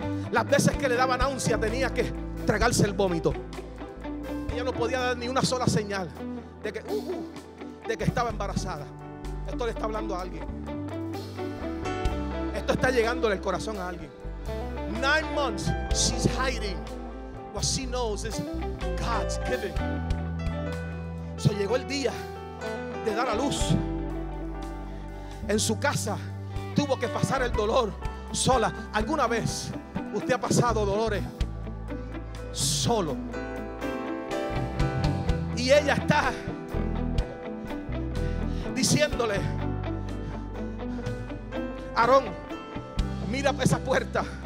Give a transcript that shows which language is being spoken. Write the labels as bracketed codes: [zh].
[es] Las veces que le daban náusea tenía que tragarse el vómito. Ella no podía dar ni una sola señal de que estaba embarazada. Esto le está hablando a alguien. Esto está llegándole el corazón a alguien. [en] 9 months she's hiding. What she knows is God's giving. [es] So llegó el día de dar a luz. En su casa tuvo que pasar el dolor sola. ¿Alguna vez usted ha pasado dolores solo? Y ella está diciéndole: Aarón, mira esa puerta.